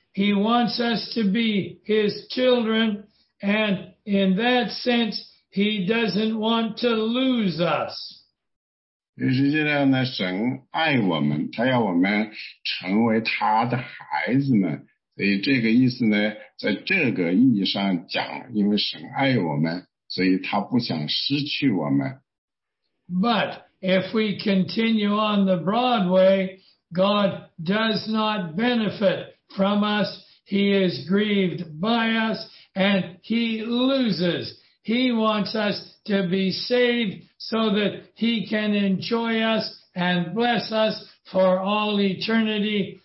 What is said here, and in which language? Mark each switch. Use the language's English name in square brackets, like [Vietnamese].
[English] He wants us to be His children, and in that sense, He doesn't want to lose us. [Chinese] 实际上呢，神爱我们，他要我们成为他的孩子们。所以这个意思呢，在这个意义上讲，因为神爱我们。 [English] But if we continue on the broad way, God does not benefit from us. He is grieved by us, and he loses. He wants us to be saved so that he can enjoy us and bless us for all eternity.